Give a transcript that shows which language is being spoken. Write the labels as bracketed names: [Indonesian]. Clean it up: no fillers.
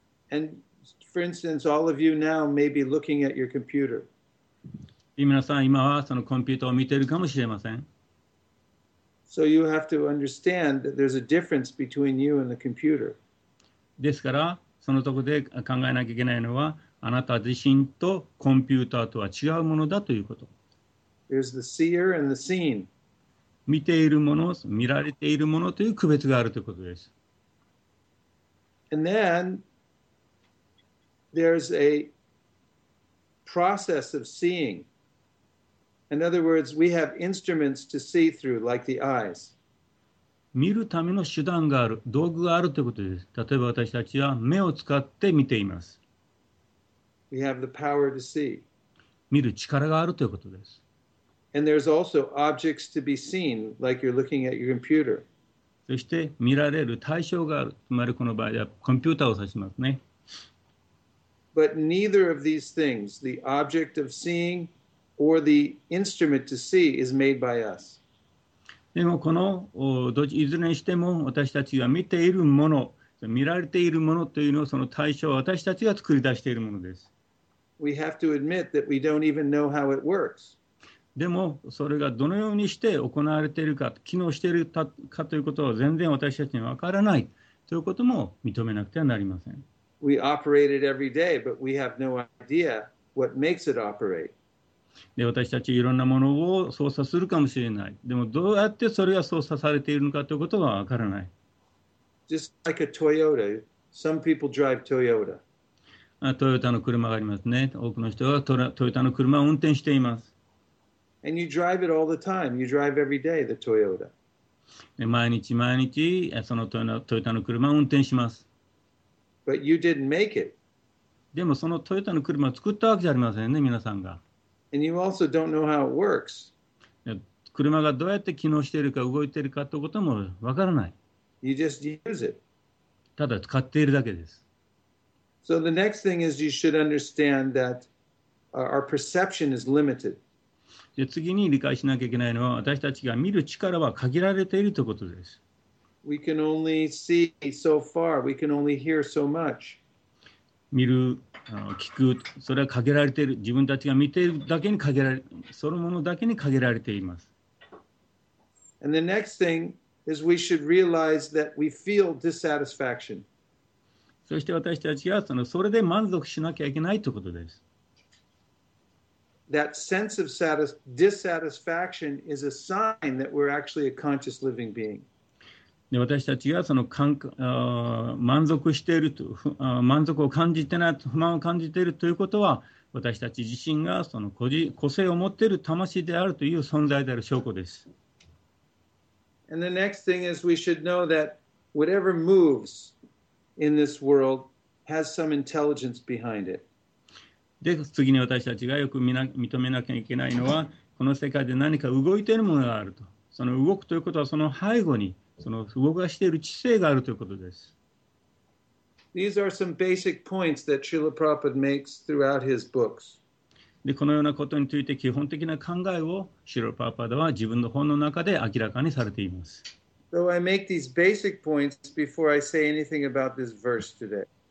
[English] And for instance, all of you now may be looking at your computer. [Japanese] 皆さん、今はそのコンピューターを見ているかもしれません。 [English] So you have to understand that there's a difference between you and the computer. [Japanese] ですから、そのとこで考えなきゃいけないのは、あなた自身とコンピューターとは違うものだということ。 [English] There's the seer and the seen. [Japanese] 見ているもの、見られているものという区別があるということです。 [English] And then there's a process of seeing. In other words, we have instruments to see through, like the eyes. [Japanese] 見るための手段がある、道具があるということです。例えば私たちは目を使って見ています。 [English] We have the power to see. [Japanese] 見る力があるということです。 [English] And there's also objects to be seen, like you're looking at your computer. [Japanese] そして見られる対象がある。つまりこの場合ではコンピューターを指しますね。 [English] But neither of these things, the object of seeing,or the instrument to see is made by us. [Japanese] でもこのいずれにしても私たちが見ているもの、見られているものというのをその対象は私たちが作り出しているものです。 [English] We have to admit that we don't even know how it works. [Japanese] でもそれがどのようにして行われているか、機能しているかということは全然私たちにわからないということも認めなくてはなりません。 [English] We operate it every day, but we have no idea what makes it operate. [Japanese] で私たちいろんなものを操作するかもしれない。でもどうやってそれが操作されているのかということは分からない。 [English] Just like a Toyota, some people drive Toyota. [Japanese] トヨタの車がありますね。多くの人はトヨタの車を運転しています。 [English] And you drive it all the time. You drive every day the Toyota. [Japanese] 毎日毎日そのトヨタの車を運転します。 [English] But you didn't make it. [Japanese] でもそのトヨタの車を作ったわけじゃありませんね、皆さんが。 [English] And you also don't know how it works. [Japanese] 車がどうやって機能しているか動いているかということもわからない。 [English] You just use it. [Japanese] ただ使っているだけです。 [English] So the next thing is you should understand that our perception is limited. [Japanese] で次に理解しなきゃいけないのは私たちが見る力は限られているということです。 [English] We can only see so far. We can only hear so much. [Japanese] 見る聞く、それは限られている。自分たちが見ているだけに限られ、そのものだけに限られています。 [English] And the next thing is we should realize that we feel dissatisfaction. [Japanese] そして私たちはそれで満足しなきゃいけないということです。 [English] That sense of dissatisfaction is a sign that we're actually a conscious living being. [Japanese] で私たちがその満足していると、満足を感じてない、不満を感じているということは、私たち自身がその個性を持っている魂であるという存在である証拠です。 [English] And the next thing is we should know that whatever moves in this world has some intelligence behind it. [Japanese] で、次に私たちがよく認めなきゃいけないのは、この世界で何か動いているものがあると。その動くということはその背後に、その動かしている知性があるということです。 [English] These are some basic points that Srila Prabhupada makes throughout his books. [Japanese] で、このようなことについて基本的な考えを Srila Prabhupada は自分の本の中で明らかにされています。 [English] So I make these basic points before I say anything about this verse today.